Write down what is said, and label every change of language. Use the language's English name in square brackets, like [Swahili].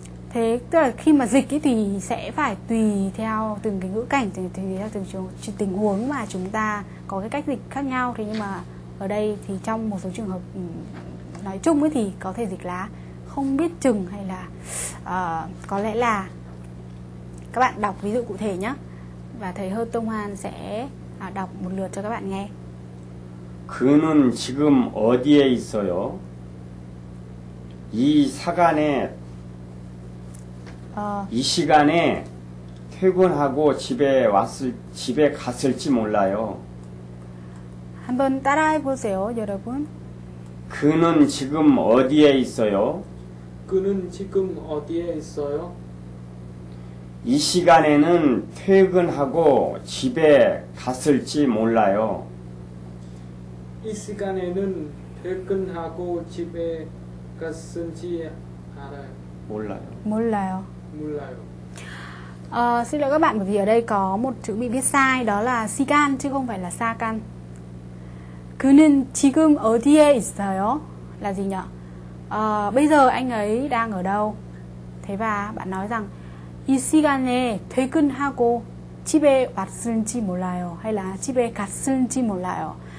[Vietnamese] Thế tức là khi mà dịch ấy thì sẽ phải tùy theo từng cái ngữ cảnh, tùy theo từng tình huống mà chúng ta có cái cách dịch khác nhau. Thế nhưng mà ở đây thì trong một số trường hợp nói chung ấy thì có thể dịch là không biết chừng hay là có lẽ là. Các bạn đọc ví dụ cụ thể nhé, và thầy Hơ Tông Hoan sẽ đọc một lượt cho các bạn nghe. [Korean] 그는 지금 어디에 있어요? 이 사간에 이 시간에 퇴근하고 집에 갔을지 몰라요. 한번 따라해 보세요, 여러분. 그는 지금 어디에 있어요? 그는 지금 어디에 있어요? 이 시간에는 퇴근하고 집에 갔을지 몰라요. 이 시간에는 퇴근하고 집에 갔을지 알아요? 몰라요. 몰라요. 몰라요. [Vietnamese] Xin lỗi các bạn, bởi vì ở đây có một chữ bị viết sai, đó là 시간 chứ không phải là 사간. [Korean] 그는 지금 어디에 있어요? [Vietnamese] Là gì nhỉ? Bây giờ anh ấy đang ở đâu? Thế và bạn nói rằng [Korean] 이 시간에 퇴근하고 집에 왔을지 몰라요 [Vietnamese] hay là [Korean] 집에 갔을지 몰라요.